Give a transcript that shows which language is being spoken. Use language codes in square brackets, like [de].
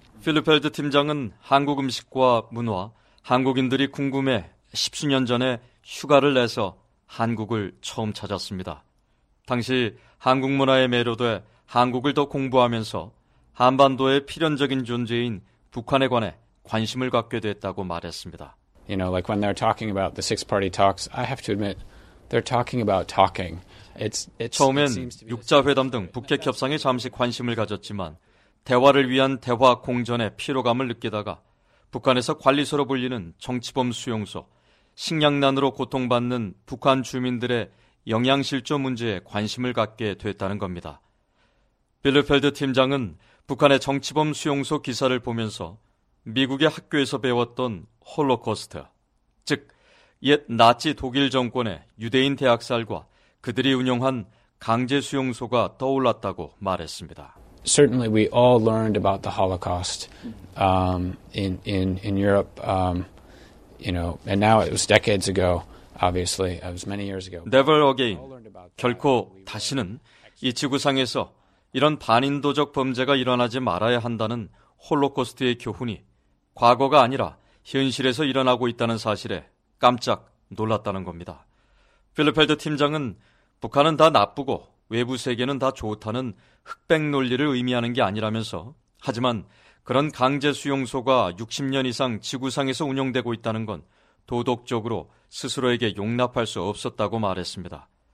[ko] 빌러펠드 팀장은 한국 음식과 문화, 한국인들이 궁금해 십수년 전에 휴가를 내서 한국을 처음 찾았습니다. 당시 한국 문화에 매료돼 한국을 더 공부하면서 한반도의 필연적인 존재인 북한에 관해 관심을 갖게 됐다고 말했습니다. [en] You know, like when they're talking about the six-party talks, I have to admit, they're talking about talking. It's [ko] 처음엔 6자 회담 등 북핵 협상에 잠시 관심을 가졌지만 대화를 위한 대화 공전에 피로감을 느끼다가 북한에서 관리소로 불리는 정치범 수용소, 식량난으로 고통받는 북한 주민들의 영양실조 문제에 관심을 갖게 됐다는 겁니다. 빌러펠드 팀장은 북한의 정치범 수용소 기사를 보면서 미국의 학교에서 배웠던 홀로코스트, 즉 옛 나치 독일 정권의 유대인 대학살과 그들이 운영한 강제 수용소가 떠올랐다고 말했습니다. [en] Certainly we all learned about the Holocaust in Europe You know, and now it was decades ago. Obviously, it was many years ago. Never again. [ko] 결코 다시는 이 지구상에서 이런 반인도적 범죄가 일어나지 말아야 한다는 홀로코스트의 교훈이 과거가 아니라 현실에서 일어나고 있다는 사실에 깜짝 놀랐다는 겁니다. 필리펠드 팀장은 북한은 다 나쁘고 외부 세계는 다 좋다는 흑백 논리를 의미하는 게 아니라면서 하지만 그런 강제 수용소가 60년 이상 지구상에서 운영되고 있다는 건 도덕적으로 스스로에게 용납할 수 없었다고 말했습니다.